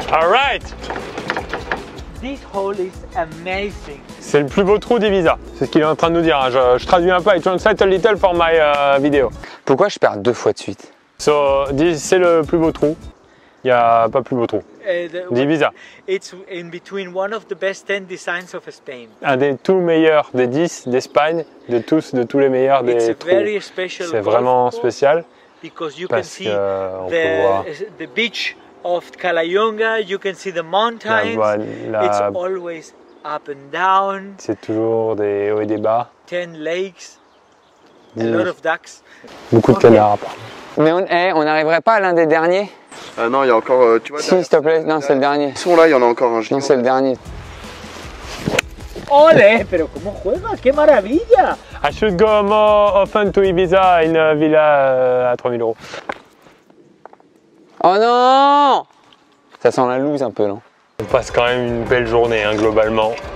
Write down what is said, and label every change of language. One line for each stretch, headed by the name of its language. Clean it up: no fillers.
English: All right. This hole is amazing.
French: C'est le plus beau trou d'Ibiza. C'est ce qu'il est en train de nous dire. Je traduis un peu.
English: I translate a little for my video.
French: Pourquoi je perds 2 fois de suite?
English: So, this,
French: c'est le plus beau trou. Il n'y a pas plus beau trou. D'Ibiza.
English: It's in between one of the best 10 designs of Spain.
French: Un des tout meilleurs des 10 d'Espagne, de tous les meilleurs des trous. C'est vraiment spécial.
English: Because you can see the beach of Calayunga, you can see the mountains. It's always up and down.
French: C'est toujours des hauts et des bas.
English: 10 lakes. Yes. A lot of ducks.
French: Beaucoup de canards. Mais on n'arriverait pas à l'un des derniers? Non, il y a encore. Tu vois, si, s'il te plaît, non, c'est le dernier. Ils sont là, il y en a encore un. Non, c'est le dernier.
Spanish: Olé, pero cómo juegas, qué maravilla!
English: I should go more often to Ibiza in a villa
French: à 3000 euros. Oh non! Ça sent la loose un peu, non? On passe quand même une belle journée, hein, globalement.